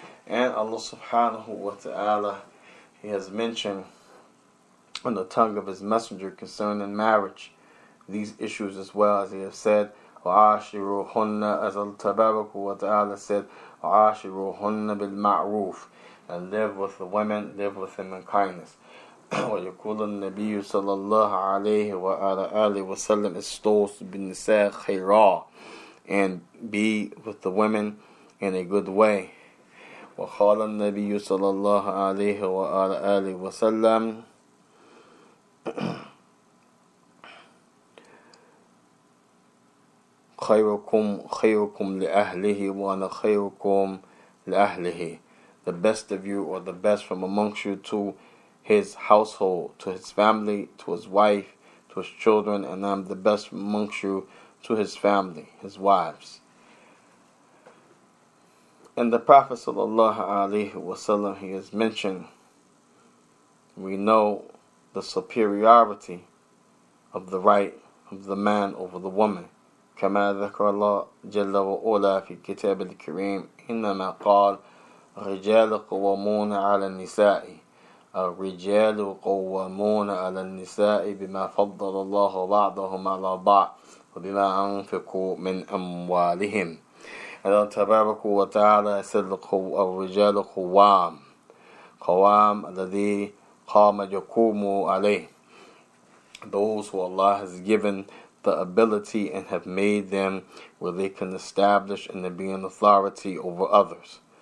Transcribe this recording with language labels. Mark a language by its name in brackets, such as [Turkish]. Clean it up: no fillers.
[English] And Allah subhanahu wa ta'ala, He has mentioned on the tongue of His messenger concerning marriage these issues as well, as He has said, وَعَاشِرُوهُنَّ, as Allah tabaraka wa ta'ala said, [Arabic] وَعَاشِرُوهُنَّ بِالْمَعْرُوفِ, [English] and live with the women, live with them in kindness. [Arabic] وَيَقُولُ النَّبِيُّ صَلَى اللَّهُ عَلَيْهِ وَعَلَى آلِهِ وَسَلَّمْ إِسْتَوْسُ بِالنِّسَاءِ خَيْرًا, [English] and be with the women in a good way. [Arabic] وَقَالَ النَّبِيُّ صَلَى اللَّهُ عَلَيْهِ وَعَلَى آلِهِ وَسَلَّمْ خَيْرُكُمْ خَيْرُكُمْ لِأَهْلِهِ [English] وَأَنَا خَيْرُكُمْ لِأَهْلِهِ, the best of you or the best from amongst you to his household, to his family, to his wife, to his children, and I'm the best amongst you to his family, his wives. And the Prophet sallallahu alaihi wasallam, he has mentioned, we know the superiority of the right of the man over the woman. [Arabic] كما ذكر الله جل وعلا في كتاب الكريم إنما قال رجال قوامون على النساء الرجال قوامون على النساء بما فضل الله بعضهم على بعض وبما أنفقوا من أموالهم. الله تبارك وتعالى سل الرجال قوام قوام الذي قام يقوم عليه, [English] those who Allah has given the ability and have made them where they can establish and be an authority over others.